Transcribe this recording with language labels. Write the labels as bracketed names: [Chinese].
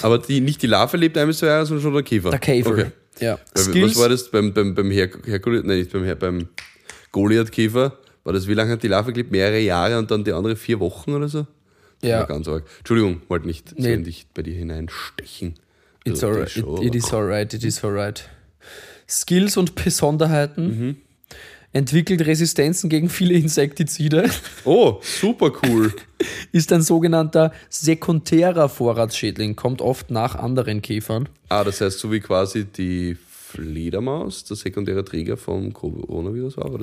[German] Aber nicht die Larve lebt 1 bis 2 Jahre, sondern schon der Käfer. Der Käfer. Okay. Ja. Was war das beim Goliath-Käfer? War das, wie lange hat die Larve gelebt? Mehrere Jahre und dann die andere 4 Wochen oder so? Ja. Ganz arg. Entschuldigung, wollte nicht sehen, dich bei dir hineinstechen. [English] It's alright. It is alright. [German] Skills und Besonderheiten. Mhm. Entwickelt Resistenzen gegen viele Insektizide. Oh, super cool. Ist ein sogenannter sekundärer Vorratsschädling, kommt oft nach anderen Käfern. Ah, das heißt so wie quasi die Fledermaus, der sekundäre Träger vom Coronavirus war?